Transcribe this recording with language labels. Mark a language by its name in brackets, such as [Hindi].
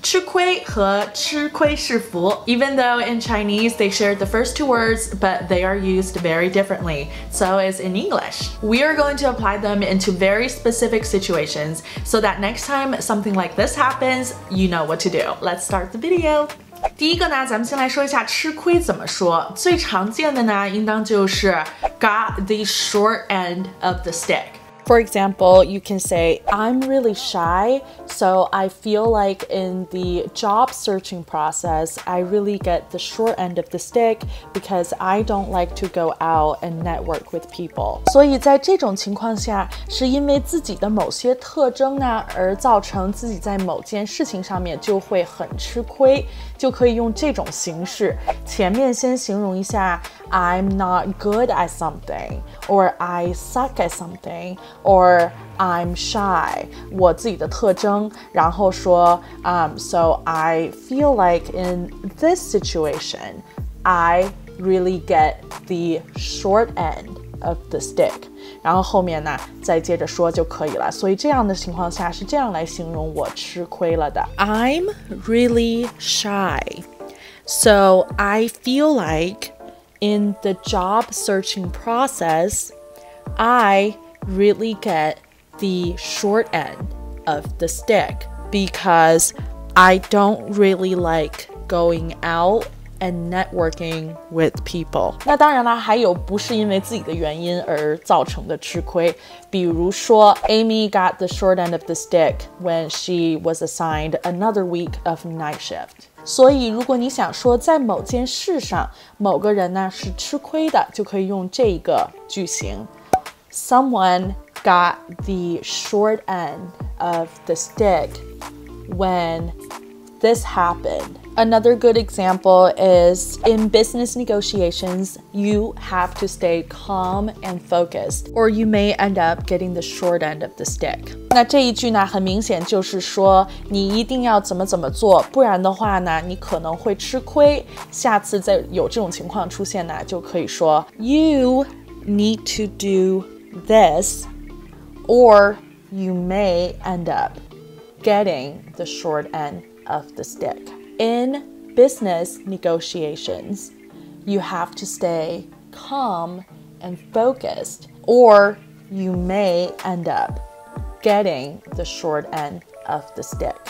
[Chinese] 吃亏和吃亏是福 [English] Even though in Chinese they share the first two words, but they are used very differently. So is in English. We are going to apply them into very specific situations so that next time something like this happens, you know what to do. Let's start the video. [Chinese] 第一个呢，咱们先来说一下吃亏怎么说。最常见的呢，应当就是 [English] got the short end of the stick. For example, you can say, I'm really shy, so I feel like in the job searching process, I really get the short end of the stick because I don't like to go out and network with people. [Chinese] 所以在这种情况下，是因为自己的某些特征呢，而造成自己在某件事情上面就会很吃亏。就可以用这种形式，前面先形容一下 [English] I'm not good at something, or I suck at something, or I'm shy, [Chinese] 我自己的特征，然后说 [English] So I feel like in this situation, I really get the short end of the stick. [Chinese] 然后后面呢再接着说就可以了所以这样的情况下是这样来形容我吃亏了的 [English] I'm really shy So I feel like in the job searching process I really get the short end of the stick Because I don't really like going outand networking with people. [Chinese] 那当然了，还有不是因为自己的原因而造成的吃亏，比如说 [English] Amy got the short end of the stick when she was assigned another week of night shift. [Chinese] 所以如果你想说在某件事上，某个人呢是吃亏的，就可以用这一个句型。 [English] Someone got the short end of the stick when this happened. Another good example is in business negotiations, you have to stay calm and focused, or you may end up getting the short end of the stick. [Chinese] 那这一句呢，很明显就是说你一定要怎么怎么做，不然的话呢，你可能会吃亏。下次再有这种情况出现呢，就可以说 [English] You need to do this, or you may end up getting the short end of the stick. In business negotiations, you have to stay calm and focused, or you may end up getting the short end of the stick.